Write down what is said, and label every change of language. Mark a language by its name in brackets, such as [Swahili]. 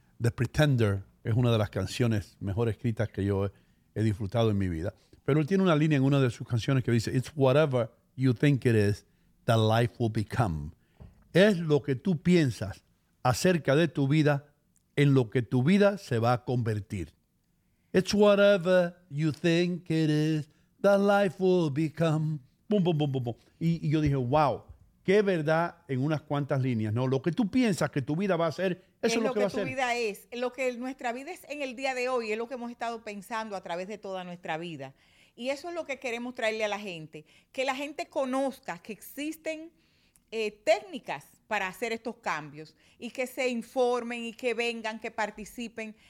[Spanish] The Pretender es una de las canciones mejor escritas que yo he disfrutado en mi vida. Pero él tiene una línea en una de sus canciones que dice, [English] "It's whatever you think it is, that life will become." [Spanish] Es lo que tú piensas acerca de tu vida, en lo que tu vida se va a convertir. [English] It's whatever you think it is, that life will become. Boom, boom, boom, boom, boom. [Spanish] Y yo dije, wow, qué verdad en unas cuantas líneas. No, lo que tú piensas que tu vida va a ser, eso es lo que va a ser. Es lo que tu vida es. Lo que nuestra vida es en el día de hoy, es lo que hemos estado pensando a través de toda nuestra vida. Y eso es lo que queremos traerle a la gente. Que la gente conozca que existen técnicas para hacer estos cambios y que se informen y que vengan, que participen.